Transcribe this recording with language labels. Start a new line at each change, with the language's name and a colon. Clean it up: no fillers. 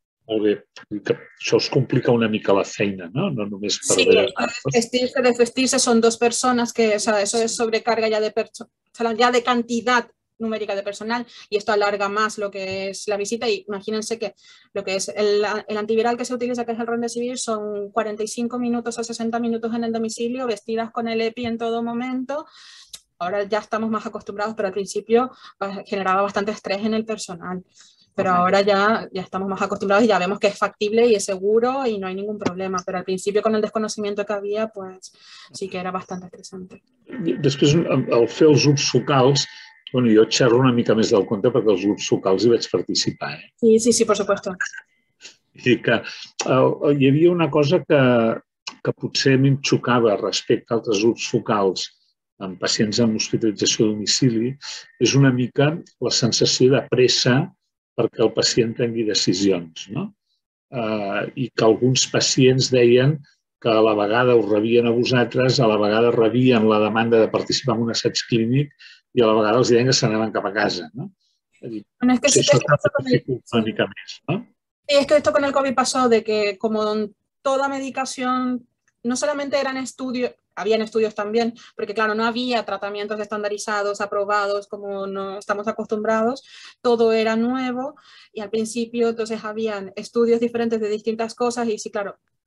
Catalan: Molt bé, això us complica una mica la feina, no? No només per...
Spanish: Sí,
Catalan: desvestir-se són dues persones que,
Spanish: o sea, eso es sobrecarga ya de cantidad numérica de personal, y esto alarga más lo que es la visita. Y imagínense que lo que es el antiviral que se utiliza, que es el Remdesivir, son 45 minutos a 60 minutos en el domicilio, vestidas con el EPI en todo momento. Ahora ya estamos más acostumbrados, pero al principio generaba bastante estrés en el personal. Pero ahora ya estamos más acostumbrados y ya vemos que es factible y es seguro y no hay ningún problema. Pero al principio, con el desconocimiento que había, pues sí que era bastante estresante.
Catalan: Después, al fer els ulls focals, bueno, jo xerro una mica més del compte perquè els grups focals hi vaig participar. Sí, per supuesto. I que hi havia una cosa que potser a mi em xocava respecte a altres grups focals amb pacients amb hospitalització a domicili, és una mica la sensació de pressa perquè el pacient prengui decisions, no? I que alguns pacients deien que a la vegada us rebien a vosaltres, a la vegada rebien la demanda de participar en un assaig clínic i a la vegada els deien que s'anaven cap a casa, no?
Spanish: Bueno, es que
Catalan: si això t'ha de fer una mica més, no?
Spanish: Sí, es que esto con el COVID pasó de que como toda medicación, no solamente eran estudios, habían estudios también, porque claro, no había tratamientos estandarizados, aprobados, como no estamos acostumbrados, todo era nuevo y al principio entonces habían estudios diferentes de distintas cosas y sí, claro,